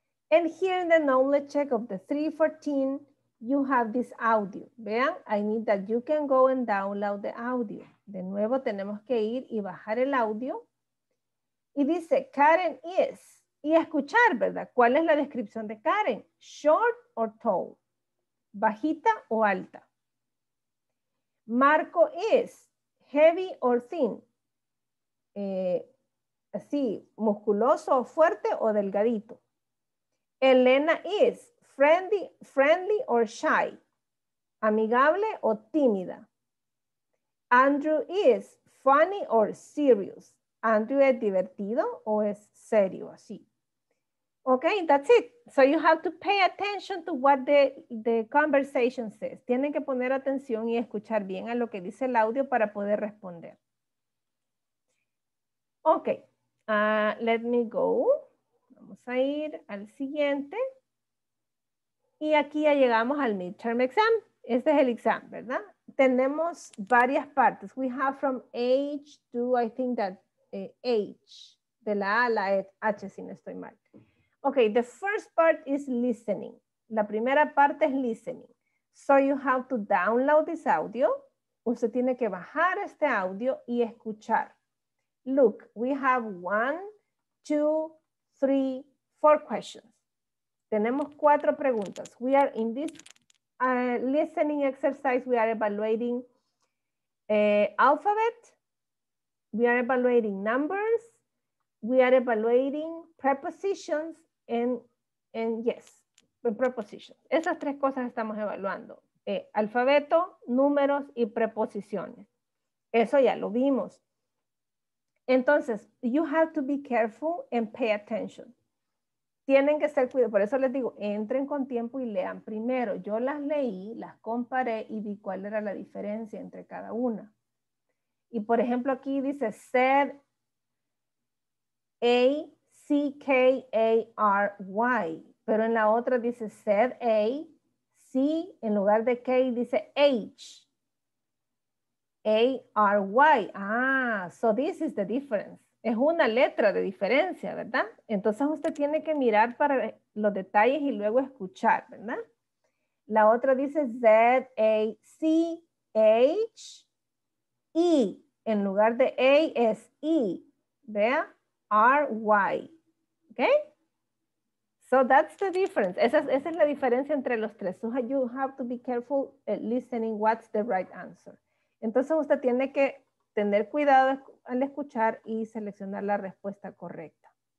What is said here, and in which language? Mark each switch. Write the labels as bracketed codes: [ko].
[en] And here in the knowledge check of the 314, you have this audio. Vean, I need that you can go and download the audio. [es] De nuevo, tenemos que ir y bajar el audio. Y dice, [en] Karen is. [es] Y escuchar, ¿verdad? ¿Cuál es la descripción de Karen? [en] Short or tall. [es] ¿Bajita o alta? [en] Marco is. Heavy or thin. [es] Así, musculoso o fuerte o delgadito. [en] Elena is. Friendly or shy. [es] Amigable o tímida. [en] Andrew is. Funny or serious. [es] Andrew es divertido o es serio, así. [en] Okay, that's it. So you have to pay attention to what the conversation says. [es] Tienen que poner atención y escuchar bien a lo que dice el audio para poder responder. [en] Okay, let me go. [es] Vamos a ir al siguiente. Y aquí ya llegamos al midterm exam. Este es el exam, ¿verdad? Tenemos varias partes. [en] We have from H to, I think that, H. [es] De la A a la H, si no estoy mal. [en] Okay, the first part is listening. [es] La primera parte es listening. [en] So you have to download this audio. [es] Usted tiene que bajar este audio y escuchar. [en] Look, we have 1, 2, 3, 4 questions. [es] Tenemos 4 preguntas. [en] We are in this listening exercise, we are evaluating alphabet. We are evaluating numbers. We are evaluating prepositions. [es] En preposition. Esas 3 cosas estamos evaluando. Alfabeto, números y preposiciones. Eso ya lo vimos. [en] Entonces, you have to be careful and pay attention. [es] Tienen que ser cuidadosos. Por eso les digo, entren con tiempo y lean primero. Yo las leí, las comparé y vi cuál era la diferencia entre cada una. Y por ejemplo, aquí dice said A. C-K-A-R-Y, pero en la otra dice said A, C en lugar de K dice H, A-R-Y, [en] ah, so this is the difference, [es] es una letra de diferencia, ¿verdad? Entonces usted tiene que mirar para los detalles y luego escuchar, ¿verdad? La otra dice Z-A-C-H-E, en lugar de A es E, vea, R-Y. [en] Okay, so that's the difference. [es] Esa es la diferencia entre los 3. [en] So you have to be careful at listening what's the right answer. [es] Entonces usted tiene que tener cuidado al escuchar y seleccionar la respuesta correcta.